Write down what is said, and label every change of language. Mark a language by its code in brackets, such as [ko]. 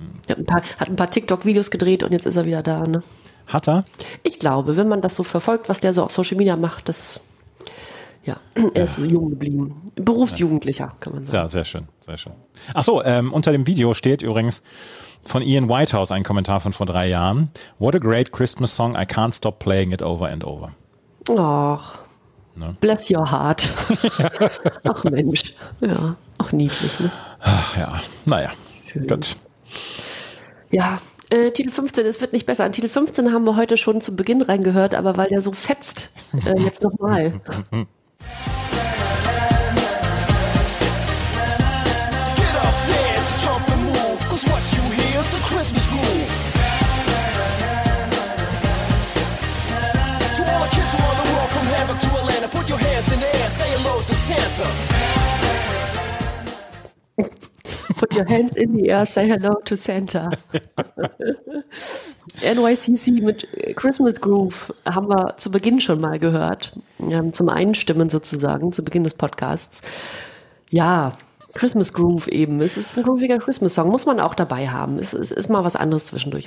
[de] Hat ein paar TikTok-Videos gedreht und jetzt ist er wieder da, ne? Hat er? Ich glaube, wenn man das so verfolgt, was der so auf Social Media macht, er ist jung geblieben. Berufsjugendlicher, kann man sagen. Ja, sehr schön, sehr schön. Ach so, unter dem Video steht übrigens von Ian Whitehouse ein Kommentar von vor 3 Jahren. [en] What a great Christmas song, I can't stop playing it over and over. [de] Ach, ne? [en] Bless your heart. [de] Ach Mensch, ja. Auch niedlich, ne? Ach ja, naja, schön. Gut. Ja, Titel 15, es wird nicht besser. An Titel 15 haben wir heute schon zu Beginn reingehört, aber weil der so fetzt, jetzt nochmal. [en] Get up, dance, jump and move, 'cause what you hear is the Christmas groove. To all the kids around the world, from heaven to Atlanta, put your hands in the air, say hello to Santa. Put your hands in the air, say hello to Santa. [de] NYCC mit Christmas Groove haben wir zu Beginn schon mal gehört. Zum Einstimmen sozusagen, zu Beginn des Podcasts. Ja, Christmas Groove eben. Es ist ein grooviger Christmas-Song. Muss man auch dabei haben. Es ist mal was anderes zwischendurch.